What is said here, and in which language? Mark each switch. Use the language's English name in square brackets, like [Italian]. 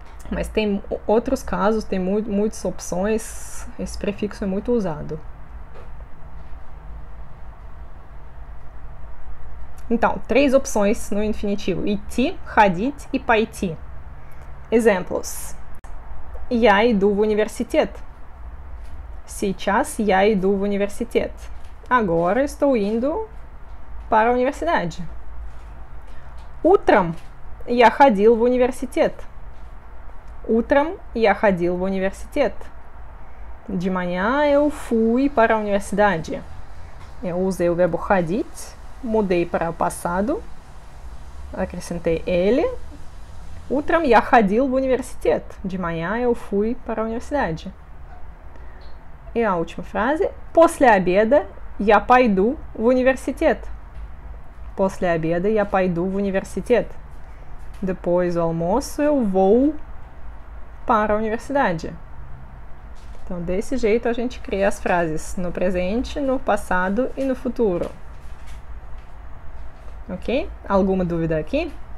[Portuguese] Mas tem outros casos, tem mu muitas opções. Esse prefixo é muito usado. Então, três opções no infinitivo: iti, hadit e paiti. [Russian] Exemplos: Я иду в университет. Сейчас я иду в университет. [Portuguese] Agora estou indo para a universidade. [Russian] Утром я ходил в университет. Утром я ходил в университет. [Portuguese] De manhã eu fui para a universidade. Eu usei o verbo ходить, mudei para o passado, acrescentei ele. [Russian] Утром я ходил в университет. [Portuguese] De manhã eu fui para a universidade. E a última frase: [Russian] после обеда я пойду в университет. После обеда я пойду в университет. [Portuguese] Depois do almoço eu vou para a universidade. Então, desse jeito a gente cria as frases no presente, no passado e no futuro. Ok? Alguma dúvida aqui?